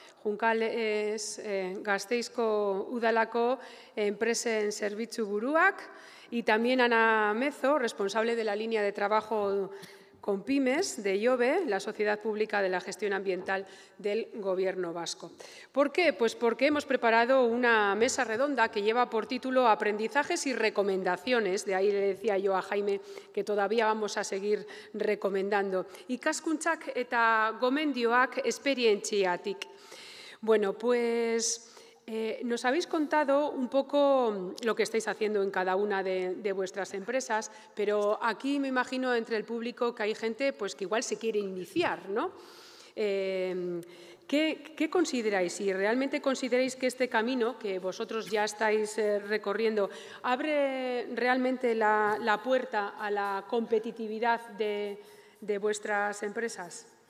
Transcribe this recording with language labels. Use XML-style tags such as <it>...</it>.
<es>Juncal es</es> <eu>Gasteizko Udalako enpresen zerbitzu buruak</eu> <es>y también Ana Mezo, responsable de la línea de trabajo con Pymes de IOBE, la Sociedad Pública de la Gestión Ambiental del Gobierno Vasco. ¿Por qué? Pues porque hemos preparado una mesa redonda que lleva por título Aprendizajes y Recomendaciones. De ahí le decía yo a Jaime que todavía vamos a seguir recomendando.</es> <eu>Ikaskuntzak eta gomendioak esperientziatik.</eu> <es>Bueno, pues nos habéis contado un poco lo que estáis haciendo en cada una de vuestras empresas, pero aquí me imagino entre el público que hay gente pues, que igual se quiere iniciar, ¿no? ¿Qué consideráis? Si realmente consideráis que este camino que vosotros ya estáis recorriendo abre realmente la puerta a la competitividad de vuestras empresas.</es>